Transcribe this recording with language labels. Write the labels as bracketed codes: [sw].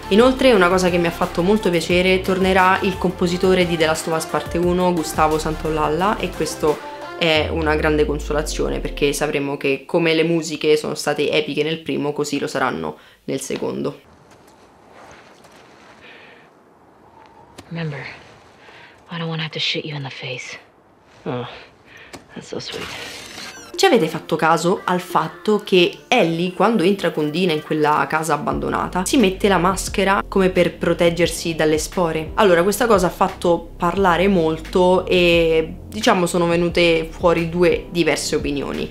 [it] Inoltre, una cosa che mi ha fatto molto piacere, tornerà il compositore di The Last of Us parte 1, Gustavo Santaolalla, e questo è una grande consolazione, perché sapremo che come le musiche sono state epiche nel primo, così lo saranno nel secondo. [en] Remember, I don't want to have to shoot you in the face. Oh, that's so sweet. [it] Ci avete fatto caso al fatto che Ellie, quando entra con Dina in quella casa abbandonata, si mette la maschera come per proteggersi dalle spore? Allora, questa cosa ha fatto parlare molto e, diciamo, sono venute fuori due diverse opinioni.